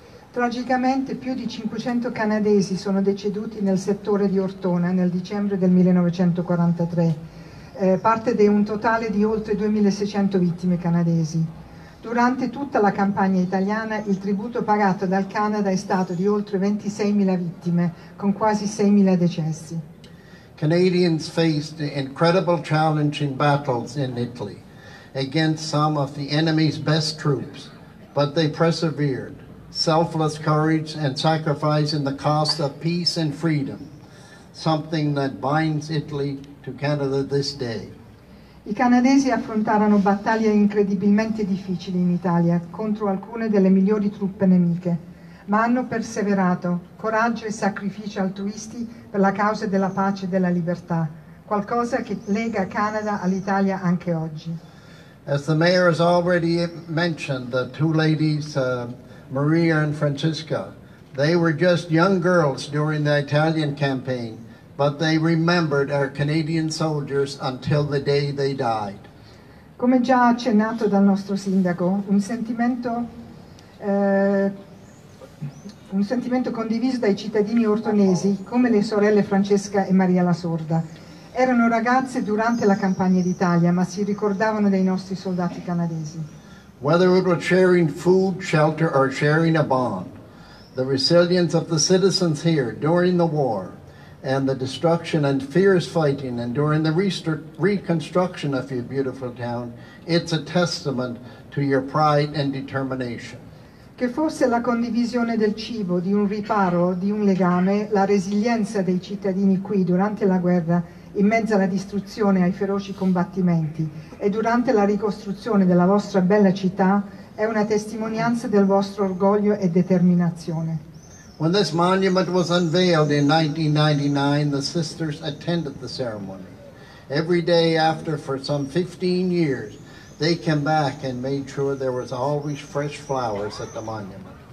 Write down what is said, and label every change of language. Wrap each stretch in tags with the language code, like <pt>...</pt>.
<it>Tragicamente, più di 500 canadesi sono deceduti nel settore di Ortona nel dicembre del 1943, parte di un totale di oltre 2.600 vittime canadesi. Durante tutta la campagna italiana, il tributo pagato dal Canada è stato di oltre 26.000 vittime, con quasi 6.000 decessi.</it> <en>Canadians faced incredible challenging battles in Italy against some of the enemy's best troops, but they persevered. Selfless courage and sacrifice in the cost of peace and freedom, something that binds Italy to Canada this day.</en> <it>I canadesi affrontarono battaglie incredibilmente difficili in Italia contro alcune delle migliori truppe nemiche, ma hanno perseverato, coraggio e sacrificio altruisti per la causa della pace e della libertà, qualcosa che lega Canada all'Italia anche oggi.</it> <en>As the mayor has already mentioned, the two ladies, Maria and Francesca, they were just young girls during the Italian campaign, but they remembered our Canadian soldiers until the day they died.</en> <it>Come già accennato dal nostro sindaco, un sentimento condiviso dai cittadini ortonesi, come le sorelle Francesca e Maria la Sorda. Erano ragazze durante la campagna d'Italia, ma si ricordavano dei nostri soldati canadesi.</it> <en>Whether it was sharing food, shelter, or sharing a bond, the resilience of the citizens here during the war and the destruction and fierce fighting and during the reconstruction of your beautiful town, it's a testament to your pride and determination.</en> <it>Che fosse la condivisione del cibo, di un riparo, di un legame, la resilienza dei cittadini qui durante la guerra, in mezzo alla distruzione, ai feroci combattimenti e durante la ricostruzione della vostra bella città, è una testimonianza del vostro orgoglio e determinazione.</it> <en>When this monument was unveiled in 1999, the sisters attended the ceremony. Every day after, for some 15 years, they came back and made sure there was always fresh flowers at the monument.</en>